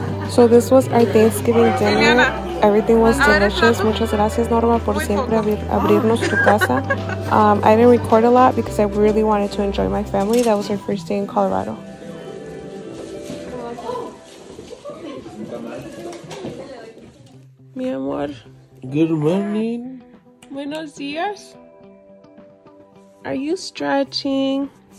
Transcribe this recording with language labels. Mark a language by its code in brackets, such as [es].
[en] So this was our Thanksgiving dinner. Everything was delicious. [es] Muchas gracias, Norma, por siempre abrirnos tu casa. [en] I didn't record a lot because I really wanted to enjoy my family. That was our first day in Colorado. [es] Mi amor. [en] Good morning. [es] Buenos dias. [en] Are you stretching?